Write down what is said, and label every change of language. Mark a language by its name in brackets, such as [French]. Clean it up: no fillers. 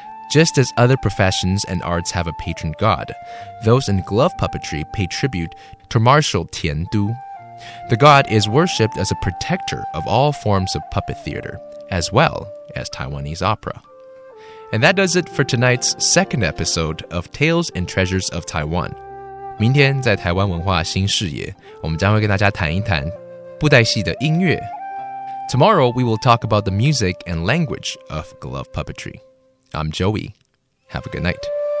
[English] Just as other professions and arts have a patron god, those in glove puppetry pay tribute to Marshal Tian Du. The god is worshipped as a protector of all forms of puppet theater, as well as Taiwanese opera. And that does it for tonight's second episode of Tales and Treasures of Taiwan. [Chinese] 明天在台湾文化新视野，我们将会跟大家谈一谈布袋戏的音乐。 [English] Tomorrow, we will talk about the music and language of glove puppetry.I'm Joey. Have a good night.